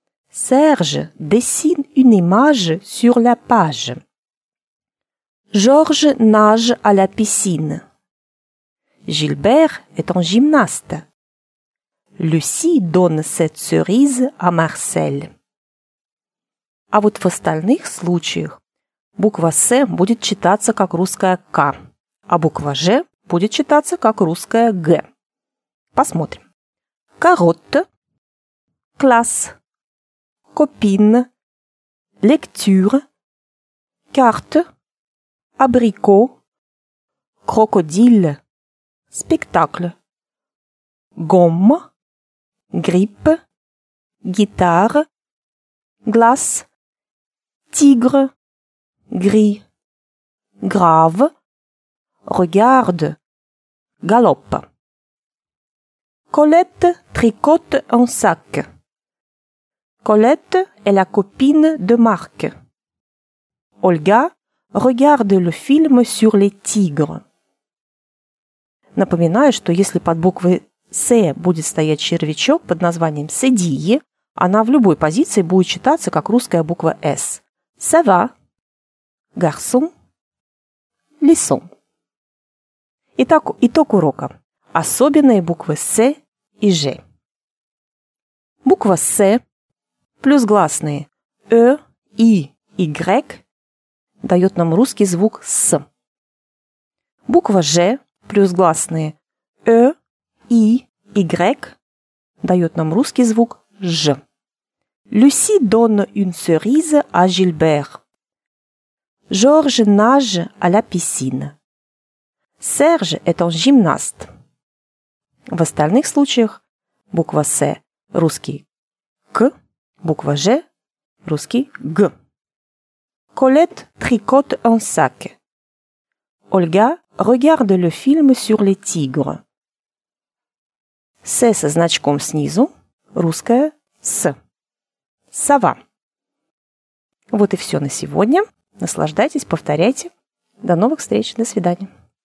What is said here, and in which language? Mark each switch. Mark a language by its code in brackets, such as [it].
[fr] Serge dessine une image sur la page. Georges nage à la piscine. Gilbert est en gymnaste. Lucie donne cette cerise à Marcel. [ru] А вот в остальных случаях буква «С» будет читаться как русская «К», а буква «Ж» будет читаться как русская «Г». Посмотрим. [fr] Carotte, classe, copine, lecture, carte, abricot, crocodile, spectacle, gomme, grippe, guitare, glace, tigre, gris, grave, regarde, galope. Colette tricote un sac. Colette est la copine de Marc. Olga regarde le film sur les tigres. [ru] Напоминаю, что если под буквой «С» будет стоять червячок под названием «Сидие», она в любой позиции будет читаться как русская буква «С». [fr] «Ça va», «Garçon», «Lisson». [ru] Итак, итог урока. Особенные буквы «С» и «Ж». Буква «С» плюс гласные «Ö», «I», «Y» дает нам русский звук «С». Буква «Ж» плюс гласные «Ö», «I», «Y» дает нам русский звук «Ж». [fr] Люси donne une cerise à Gilbert. Georges nage à la piscine. Serge est un gymnaste. [ru] В остальных случаях буква «С» – русский «К», буква «Ж» – русский «Г». [fr] Colette tricote un sac. Olga regarde le film sur les tigres. [ru] «С» со значком снизу – русская «С». «Сова». Вот и все на сегодня. Наслаждайтесь, повторяйте. До новых встреч. До свидания.